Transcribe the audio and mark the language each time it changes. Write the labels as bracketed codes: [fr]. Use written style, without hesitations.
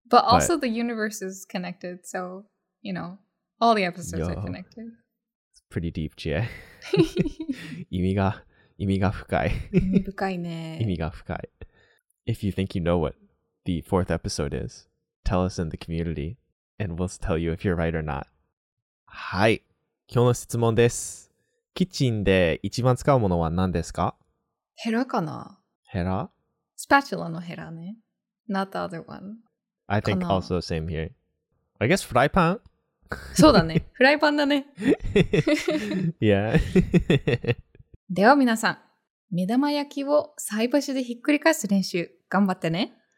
[en] But also the universe is connected, so, you know, all the episodes are connected. It's pretty deep, Chie. [ja] 意味が深い。意味深いね。意味が深い。 [en] If you think you know what the 4th episode is, tell us in the community, and we'll tell you if you're right or not. [ja] はい。今日の質問です。キッチンで一番使うものは何ですか? ヘラかな? ヘラ? スパチュラのヘラね。 [en] Not the other one. I think also same here. I guess フライパン? [ja] そうだね。フライパンだね。 [en] Yeah. [ja] では皆さん、目玉焼きを菜箸でひっくり返す練習、頑張ってね。